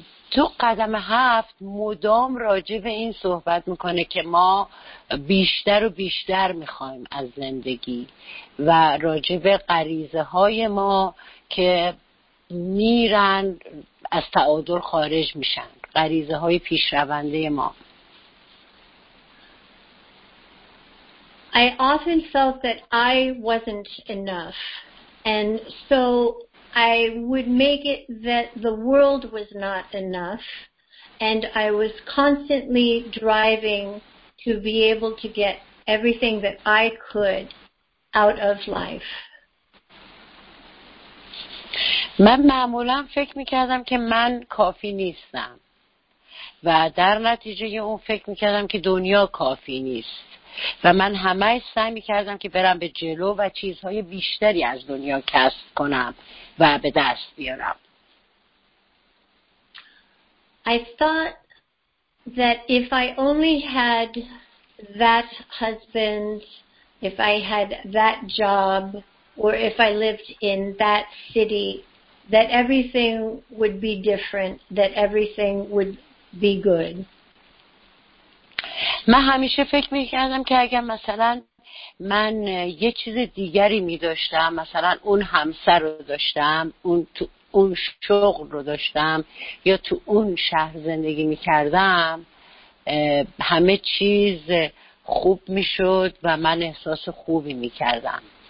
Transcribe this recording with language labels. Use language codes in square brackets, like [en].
[fa] تو قدم 7 مدام راجع به این صحبت میکنه که ما بیشتر و بیشتر میخوایم از زندگی و راجع به غریزه های ما که میرن از تعادل خارج میشن، غریزه های پیشرونده ما. [en] I often felt that I wasn't enough, and so I would make it that the world was not enough, and I was constantly driving to be able to get everything that I could out of life. [fa] من معمولا فکر میکردم که من کافی نیستم و در نتیجه اون فکر میکردم که دنیا کافی نیست و من همه سعی میکردم که برم به جلو و چیزهای بیشتری از دنیا کسب کنم و به دست بیارم. [en] I thought that if I only had that husband, if I had that job, or if I lived in that city, that everything would be different, that everything would be good. [fa] من همیشه فکر میکردم که اگر مثلا من یه چیز دیگری میداشتم، مثلا اون همسر رو داشتم، اون تو اون شغل رو داشتم یا تو اون شهر زندگی میکردم، همه چیز خوب میشد و من احساس خوبی میکردم.